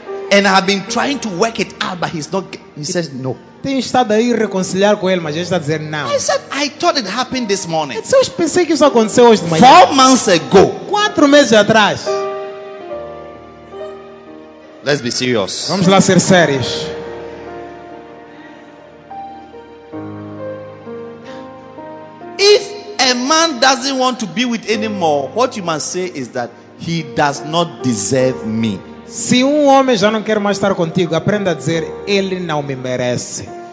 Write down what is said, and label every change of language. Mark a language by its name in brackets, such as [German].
[English] And I've been trying to work it out, but he's not. He says no. [Portuguese] Tem estado aí reconciliar com ele, mas ele está dizendo não. [English] I said I thought it happened this morning. [Portuguese] Eu pensei que isso aconteceu hoje de manhã. [English] 4 months ago. [Portuguese] 4 meses atrás. [English] Let's be serious. [Portuguese] Vamos lá ser sérios. [English] If a man doesn't want to be with anymore, what you must say is that he does not deserve me. [Portuguese] Se um homem já não quer mais estar contigo, aprenda a dizer, ele não me merece.